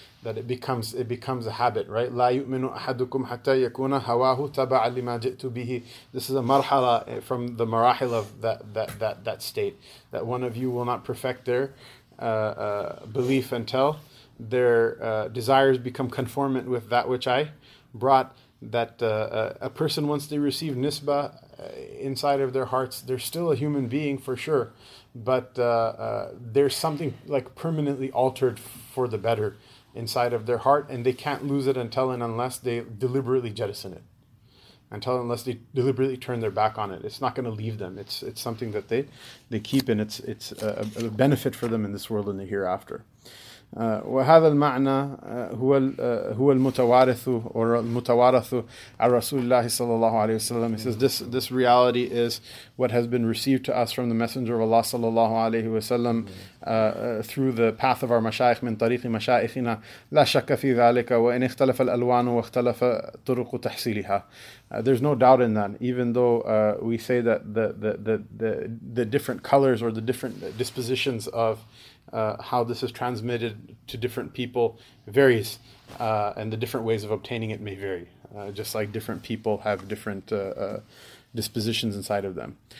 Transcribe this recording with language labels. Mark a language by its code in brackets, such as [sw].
[en] That it becomes a habit, right? [ar] لا يؤمن أحدكم حتى يكون هواه تبع لما جئت به. [en] This is a marhala from the marahil of that state. That one of you will not perfect their belief until their desires become conformant with that which I brought. That a person, once they receive nisbah inside of their hearts, they're still a human being for sure, but there's something like permanently altered for the better inside of their heart, and they can't lose it until and unless they deliberately jettison it. Unless they deliberately turn their back on it. It's not going to leave them. It's something that they keep, and it's a benefit for them in this world and the hereafter. [ar] وهذا المعنى هو المتوارث أو المتوارث عن رسول الله صلى الله عليه وسلم. [en] He says this reality is what has been received to us from the Messenger of Allah صلى الله عليه وسلم through the path of our [ar] مشايخ من طريق مشايخنا. لا شك في ذلك وإن اختلف الألوان واختلف طرق تحصيلها. [en] There's no doubt in that. Even though we say that the different colors or the different dispositions of how this is transmitted to different people varies, and the different ways of obtaining it may vary, just like different people have different dispositions inside of them.